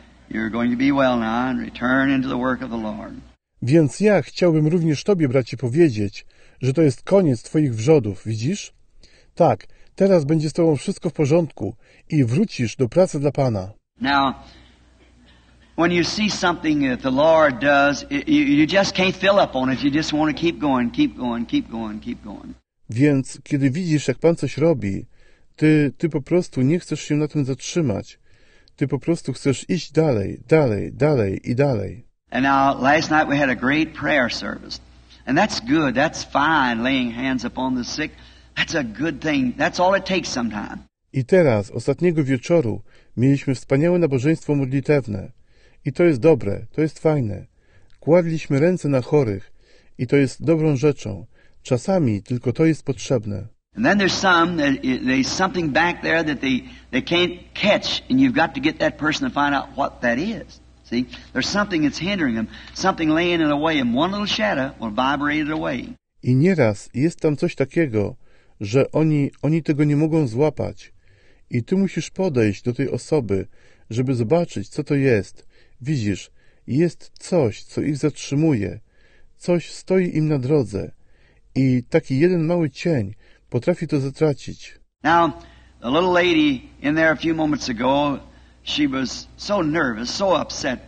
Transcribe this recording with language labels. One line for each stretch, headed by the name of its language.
English: You're going to be well now and return into the work of the Lord.
Polish: Więc ja chciałbym również Tobie, bracie, powiedzieć, że to jest koniec Twoich wrzodów, widzisz? Tak, teraz będzie z Tobą wszystko w porządku i wrócisz do pracy dla Pana.
English: Now, when you see something that the Lord does, you just can't fill up on it. You just want to keep going, keep going, keep going, keep going.
Polish: Więc kiedy widzisz, jak Pan coś robi, ty po prostu nie chcesz się na tym zatrzymać. Ty po prostu chcesz iść dalej, dalej, dalej i dalej.
English: And now, last night we had a great prayer service. And that's good, that's fine, laying hands upon the sick. That's a good thing, that's all it takes sometimes.
Polish: I teraz, ostatniego wieczoru, mieliśmy wspaniałe nabożeństwo modlitewne. I to jest dobre, to jest fajne. Kładliśmy ręce na chorych i to jest dobrą rzeczą. Czasami tylko to jest potrzebne.
English: And then there's some, there's something back there that they can't catch, and you've got to get that person to find out what that is. See, there's something that's hindering them, something laying in the way, and one little shadow will vibrate it away.
Polish: I nieraz jest tam coś takiego, że oni tego nie mogą złapać. I ty musisz podejść do tej osoby, żeby zobaczyć, co to jest. Widzisz, jest coś, co ich zatrzymuje. Coś stoi im na drodze. I taki jeden mały cień potrafi to zatracić.
English: Now, the little lady in there a few moments ago, she was so nervous, so upset.